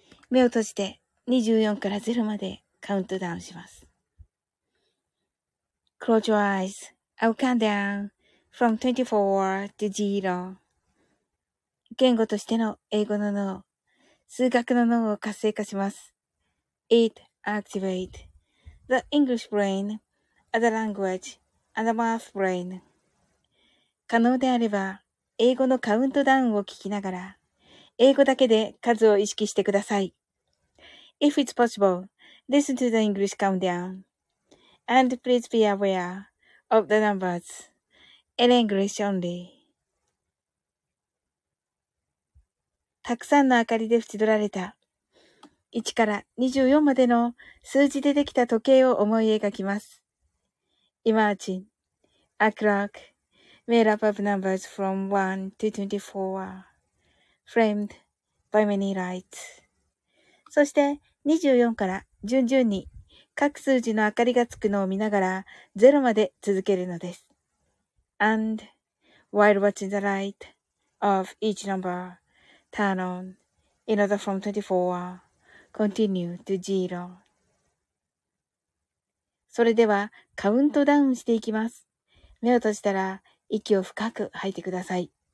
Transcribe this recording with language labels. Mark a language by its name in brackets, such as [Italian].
[Japanese] 目を閉じて24から0までカウントダウンします。 [English] Close your eyes. I'll count down from 24 to 0. [Japanese] 言語としての英語の脳、数学の脳を活性化します。 [English] It activates the English brain as the language and the math brain. [Japanese] 可能であれば、英語のカウントダウンを聞きながら、英語だけで数を意識してください。 [English] If it's possible, listen to the English countdown. And please be aware. Of the numbers in English only. [Japanese] たくさんの明かりで縁取られた1から24までの数字でできた時計を思い描きます。 [English] Imagine a clock made up of numbers from 1 to 24, framed by many lights. [Japanese] そして24から順々に各数字の明かりがつくのを見ながら、ゼロまで続けるのです。 [English] And while watching the light of each number turn on in order from 24, continue to zero. [Japanese] それでは、カウントダウンしていきます。目を閉じたら、息を深く吐いてください。